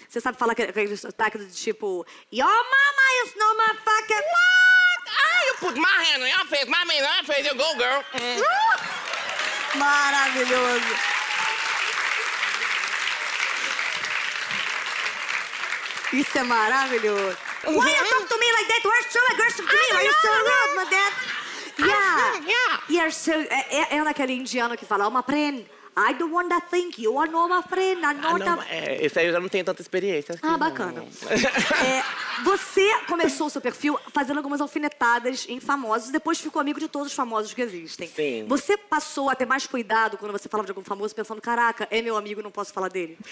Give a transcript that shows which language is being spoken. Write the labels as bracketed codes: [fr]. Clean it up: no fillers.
[pt] Você sabe falar que aquele sotaque do tipo [en] your mama is not my fucking. What? Ah, you put my hand on your face, mommy, on your face. You go, girl. [pt] Maravilhoso. Isso é maravilhoso. [en] Why you talk to me like that? You're so aggressive to me. Know, you're so rude, my dad. Yeah. You're so... [pt] É naquele indiano que fala, [en] oh, my friend, I don't want that thing. You are not my friend. I'm not a... [pt] Isso aí eu já não tenho tanta experiência. Ah, bacana. Você começou o seu perfil fazendo algumas alfinetadas em famosos, depois ficou amigo de todos os famosos que existem. Sim. Você passou a ter mais cuidado quando você falava de algum famoso, pensando, caraca, é meu amigo, não posso falar dele?